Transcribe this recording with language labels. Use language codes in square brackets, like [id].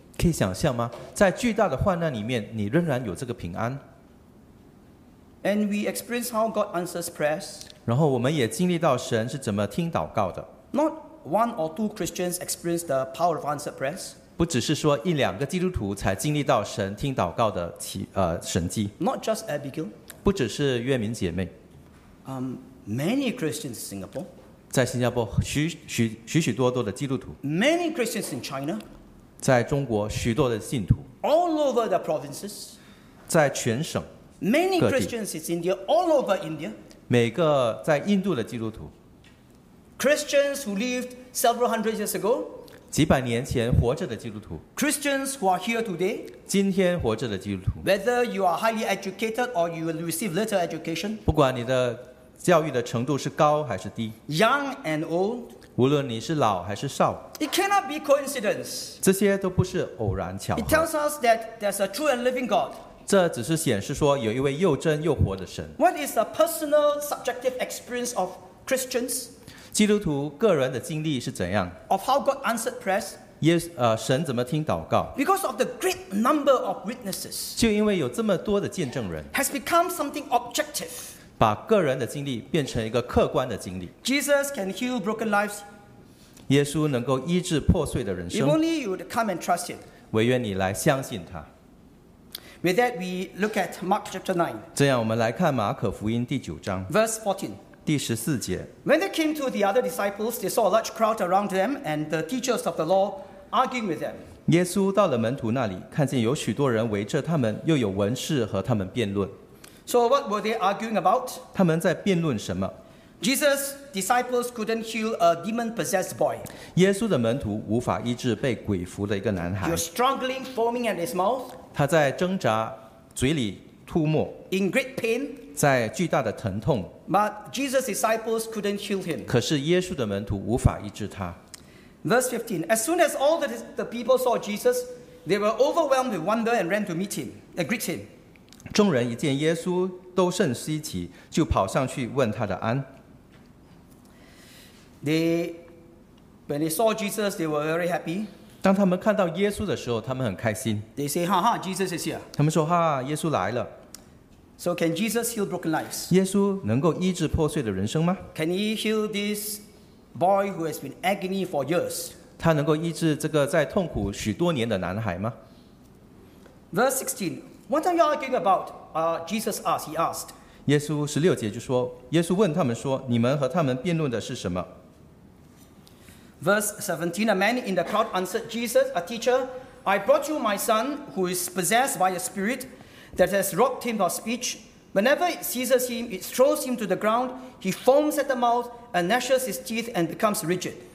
[zh] 可以想象吗？在巨大的患难里面，你仍然有这个平安。 [en] And we experience how God answers prayers. [zh] 然后我们也经历到神是怎么听祷告的。 [en] Not one or two Christians experience the power of answered prayers. [zh] 不只是说一两个基督徒才经历到神听祷告的神迹。 [en] Not just Abigail. [zh] 不只是月明姐妹。 [en] Many Christians in Singapore. [zh] 在新加坡，许多的基督徒。 [en] Many Christians in China. [zh] 在中国，许多的信徒。 [en] All over the provinces. [zh] 在全省。 [en] Many Christians in India, all over India. [zh] 每个在印度的基督徒。 [en] Christians who lived several hundred years ago. [zh] 几百年前活着的基督徒。 [en] Christians who are here today. [zh] 今天活着的基督徒。 [en] Whether you are highly educated or you will receive little education. [zh] 不管你的教育的程度是高还是低。 [en] Young and old. [zh] 无论你是老还是少。 [en] It cannot be coincidence. [zh] 这些都不是偶然巧合。 [en] It tells us that there's a true and living God. [zh] 这只是显示说有一位又真又活的神。 [en] What is the personal subjective experience of Christians? [zh] 基督徒个人的经历是怎样 [en] ？Of how God answered prayers? [zh] Yes, 神怎么听祷告 [en] ？Because of the great number of witnesses. [zh] 就因为有这么多的见证人。 [en] Has become something objective. [zh] 把个人的经历变成一个客观的经历。 [en] Jesus can heal broken lives. [zh] 耶稣能够医治破碎的人生。 [en] If only you would come and trust him. [zh] 唯愿你来相信他。 [en] With that, we look at Mark chapter 9. [zh] 这样，我们来看马可福音第九章。 [en] Verse 14. [zh] 第十四节。 [en] When they came to the other disciples, they saw a large crowd around them, and the teachers of the law arguing with them. [zh] 耶稣到了门徒那里，看见有许多人围着他们，又有文士和他们辩论。 [en] So what were they arguing about? [zh] 他们在辩论什么？ [en] Jesus' disciples couldn't heal a demon-possessed boy. [zh] 耶稣的门徒无法医治被鬼附的一个男孩。 [en] He was struggling, foaming at his mouth. [zh] 他在挣扎，嘴里吐沫。 [en] In great pain. [zh] 在巨大的疼痛。 [en] But Jesus' disciples couldn't heal him. [zh] 可是耶稣的门徒无法医治他。 [en] Verse 15. As soon as all the people saw Jesus, they were overwhelmed with wonder and ran to meet him, greet him. [zh] 众人一见耶稣，都甚稀奇，就跑上去问他的安。 [en] When they saw Jesus, they were very happy. [zh] 当他们看到耶稣的时候，他们很开心。 [en] They say, "Haha, Jesus is here." [zh] 他们说，哈，耶稣来了。 [en] So can Jesus heal broken lives? [zh] 耶稣能够医治破碎的人生吗 [en] ？Can he heal this boy who has been agony for years? [zh] 他能够医治这个在痛苦许多年的男孩吗 [en] ？Verse 16. What are you arguing about? Jesus asked. He asked. [zh] 耶稣十六节就说，耶稣问他们说，你们和他们辩论的是什么？ [en] Verse 17, a man in the crowd answered Jesus, a teacher, I brought you my son who is possessed by a spirit that has robbed him of speech. Whenever it seizes him, it throws him to the ground. He foams at the mouth and gnashes his teeth and becomes rigid.